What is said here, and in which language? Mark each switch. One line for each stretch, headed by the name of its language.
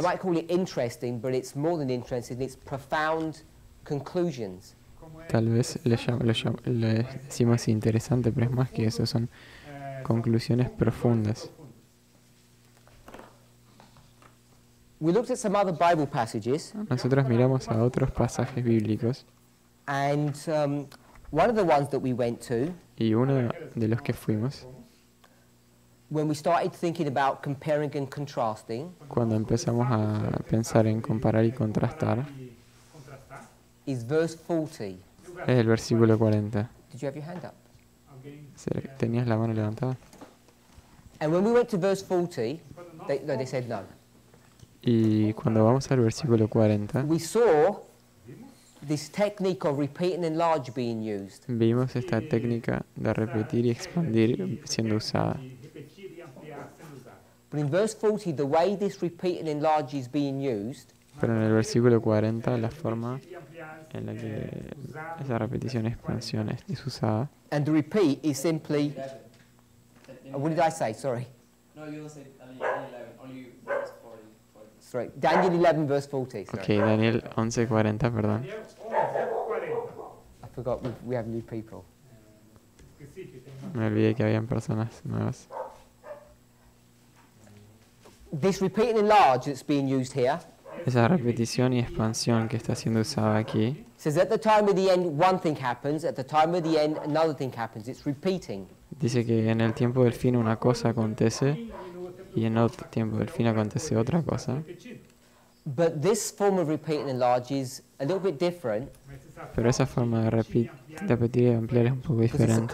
English: I might call it interesting, but it's more than interesting, it's profound conclusions.
Spanish: Tal vez le decimos interesante, pero es más que eso, son conclusiones profundas.
English: We looked at some other Bible passages.
Spanish: Nosotros miramos a otros pasajes bíblicos.
English: And one of the ones that we went to,
Spanish: y uno de los que fuimos,
English: when we started thinking about comparing and contrasting,
Spanish: cuando empezamos a pensar en comparar y contrastar,
English: is verse 40.
Spanish: Es el versículo 40.
English: Did you have your hand up?
Spanish: ¿Tenías la mano levantada?
English: And when we went to verse 40, they said no.
Spanish: Y cuando vamos al versículo 40,
English: we saw this technique of repeat and enlarge being used.
Spanish: Vimos esta técnica de repetir y expandir siendo usada.
English: But in verse 40, the way this repeat and enlarge is being used,
Spanish: pero en el versículo 40, la forma en la que esa repetición y expansión es usada.
English: And the repeat is simply, what did I say? Sorry. No, you said only 11. Sorry, Daniel 11, verse 40. Sorry.
Spanish: Okay, Daniel 11, 40, perdón.
English: I forgot we have new people.
Spanish: Me olvidé que habían personas nuevas.
English: This repeat and enlarge that's being used here.
Spanish: Esa repetición y expansión que está siendo usada aquí.
English: Says at the time of the end, one thing happens. At the time of the end, another thing happens. It's repeating.
Spanish: Dice que en el tiempo del fin una cosa acontece. Y en otro tiempo del fin acontece otra cosa.
English: But this form of repeat and enlarge is a little bit different.
Spanish: Pero esa forma de repetir y ampliar es un poco diferente.